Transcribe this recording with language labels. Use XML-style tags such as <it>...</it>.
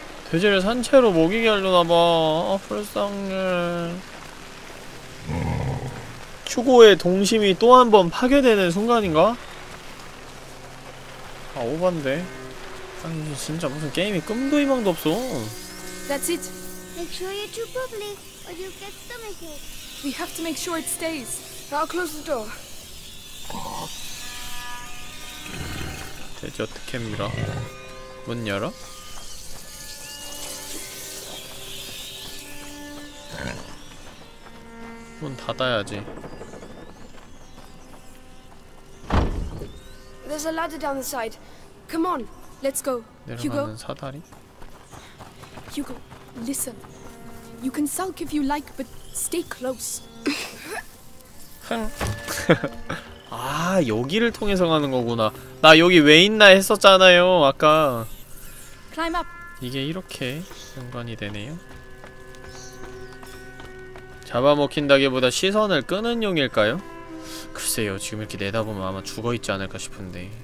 <ko>돼지를 산채로 먹이게 하려나 봐. 아, 불쌍해. 휴고의 동심이 또 한 번 파괴되는 순간인가? 아, 오반데. 아니, 진짜 무슨 게임이 끔도 희망도 없어.</ko> <en>That's it. Make sure you chew properly or you'll get stomachache. We have to make sure it stays. I'll close the door.</en> <ko>돼지 어떻게 밀어? 문 열어? 문 닫아야지.</ko> <en>There's a ladder down the side. Come on, let's go.</en> <ko>내려가는 사다리?</ko> <en>Hugo, listen. You can sulk if you like, but stay close.</en> <ko>아, 여기를 통해서 가는 거구나. 나 여기 왜 있나 했었잖아요, 아까.</ko> <en>Climb up.</en> <ko>이게 이렇게 연관이 되네요. 잡아먹힌다기보다 시선을 끄는 용일까요? 글쎄요, 지금 이렇게 내다보면 아마 죽어있지 않을까 싶은데.</ko>